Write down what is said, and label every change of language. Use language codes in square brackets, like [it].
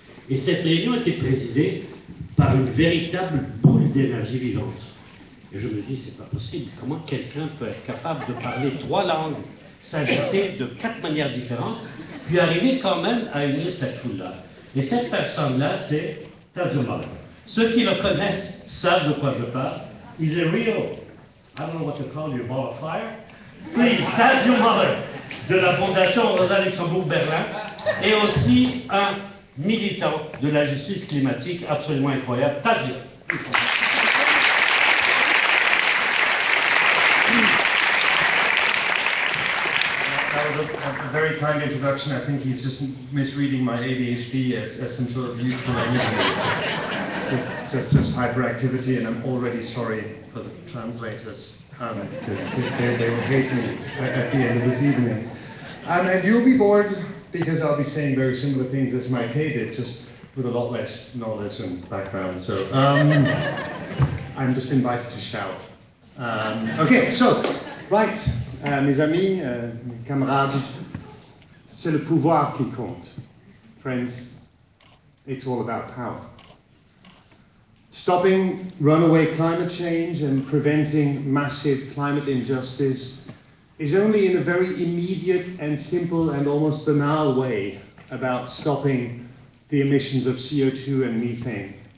[fr] Et cette réunion était présidée par une véritable boule d'énergie vivante. Et je me dis, c'est pas possible. Comment quelqu'un peut être capable de parler trois langues, s'agiter de quatre manières différentes, puis arriver quand même à unir cette foule-là? Et cette personne-là, c'est Tadzio Muller. Ceux qui le connaissent savent de quoi je parle. [en] He's a real, I don't know what to call you, ball of fire. [fr] Please, Tadzio Muller, de la Fondation Rosa Luxembourg-Berlin, et aussi un militant de la justice climatique absolument incroyable, Tadzio. [en] A very kind introduction. I think he's just misreading my ADHD as some sort of youthful energy. Just hyperactivity, and I'm already sorry for the translators. They will hate me at the end of this evening. And you'll be bored because I'll be saying very similar things as Maité did, just with a lot less knowledge and background. So I'm just invited to shout. Okay, so, right. [fr] Mes amis, mes camarades, c'est le pouvoir qui compte. [en] Friends, it's all about power. Stopping runaway climate change and preventing massive climate injustice is only in a very immediate and simple and almost banal way about stopping the emissions of CO2 and methane.